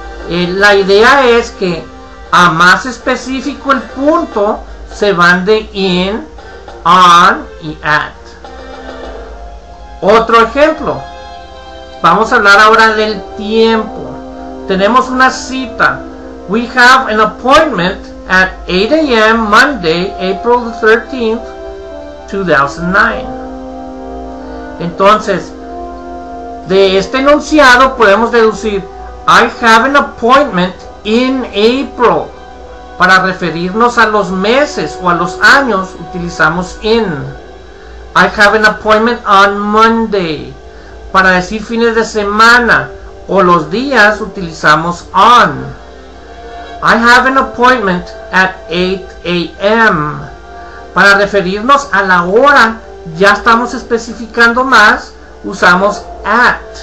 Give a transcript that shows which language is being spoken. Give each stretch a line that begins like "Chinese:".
Spanish: La idea es que a más específico el punto, se van de in, on y at. Otro ejemplo, vamos a hablar ahora del tiempo. Tenemos una cita.
English: We have an appointment at 8 a.m. Monday, April the 13th 2009.
Spanish: Entonces, de este enunciado podemos deducir
English: I have an appointment in April.
Spanish: Para referirnos a los meses o a los años, utilizamos in.
English: I have an appointment on Monday.
Spanish: Para decir fines de semana o los días, utilizamos on.
English: I have an appointment at 8 a.m.
Spanish: Para referirnos a la hora, ya estamos especificando más, usamos at.